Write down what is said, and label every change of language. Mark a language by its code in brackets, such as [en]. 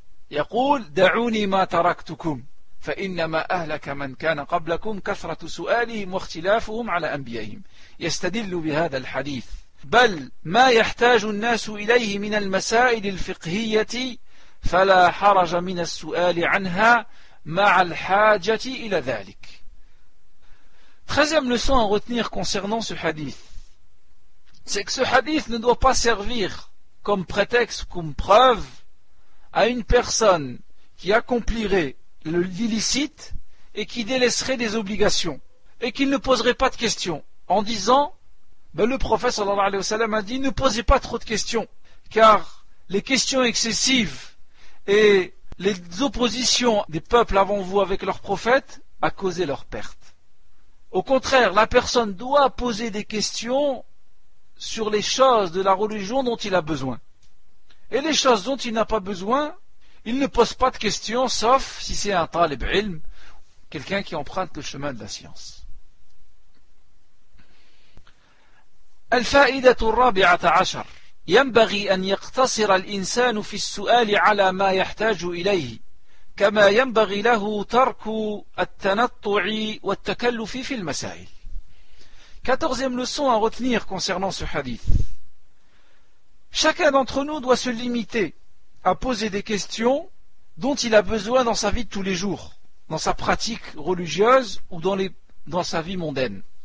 [ar] يقول دعوني ما تركتكم فإنما أهلك من كان قبلكم كثرة سؤالهم واختلافهم على أنبيائهم يستدل بهذا الحديث بل ما يحتاج الناس إليه من المسائل الفقهية فلا حرج من السؤال عنها مع الحاجة إلى ذلك. [fr] Troisième leçon à retenir concernant ce hadith, c'est que ce hadith ne doit pas servir comme prétexte, comme preuve à une personne qui accomplirait l'illicite et qui délaisserait des obligations et qu'il ne poserait pas de questions en disant ben le prophète sallallahu alayhi wa sallam a dit ne posez pas trop de questions car les questions excessives et les oppositions des peuples avant vous avec leur prophète a causé leur perte. Au contraire, la personne doit poser des questions sur les choses de la religion dont il a besoin. Et les choses dont il n'a pas besoin, il ne pose pas de questions, sauf si c'est un talib ilm, quelqu'un qui emprunte le chemin de la science. [ar] الفائدة الرابعة عشر ينبغي أن يقتصر الإنسان في السؤال على ما يحتاج إليه كما ينبغي له ترك التنطع والتكلف في المسائل. [fr] Quatorzième leçon à retenir concernant ce hadith. Chacun d'entre nous doit se limiter à poser des questions dont il a besoin dans sa vie de tous les jours, dans sa pratique religieuse ou dans sa vie mondaine.